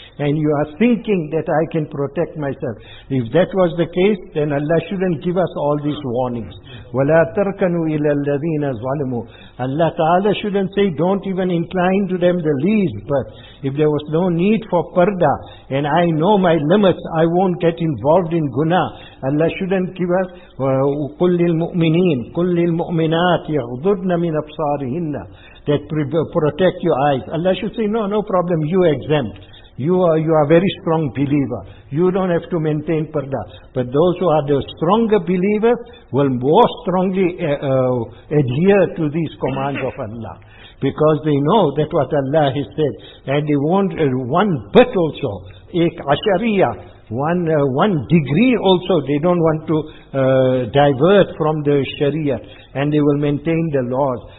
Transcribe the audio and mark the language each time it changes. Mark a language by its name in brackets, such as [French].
[English] And you are thinking that I can protect myself. If that was the case, then Allah shouldn't give us all these warnings. [Arabic] وَلَا تَرْكَنُوا إِلَى الَّذِينَ ظَلَمُوا. [English] Allah Ta'ala shouldn't say, don't even incline to them the least. But if there was no need for parda, and I know my limits, I won't get involved in guna. Allah shouldn't give us [Arabic] قُلْ لِلْمُؤْمِنِينَ قُلْ لِلْمُؤْمِنَاتِ يَغْضُرْنَ مِنْ أَبْصَارِهِنَّ. [English] That protect your eyes. Allah should say, no problem, you exempt. You are a very strong believer. You don't have to maintain parda. But those who are the stronger believers will more strongly adhere to these commands of Allah. because they know that what Allah has said, and they want one bit also, [Urdu] ek ashariya, [English] one degree also, they don't want to divert from the Sharia, and they will maintain the laws.